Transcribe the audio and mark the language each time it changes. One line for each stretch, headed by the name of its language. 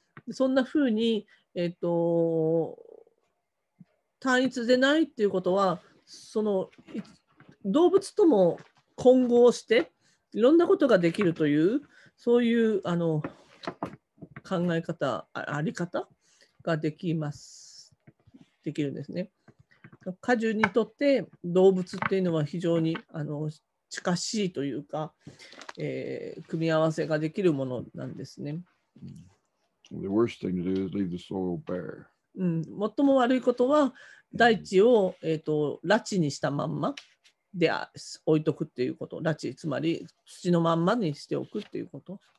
Japanese: そんな風に、単一でないっていうことは、その動物とも混合していろんなことができるという、そういう考え方、あり方ができます。できるんですね。果樹にとって動物っていうのは非常に近しいというか、組み合わせができるものなんですね。
English: The worst thing to do is leave the soil bare.
Japanese: 最も悪いことは大地を、裸地にしたまんまで置いとくっていうこと。裸地、つまり土のまんまにしておくっていうこと。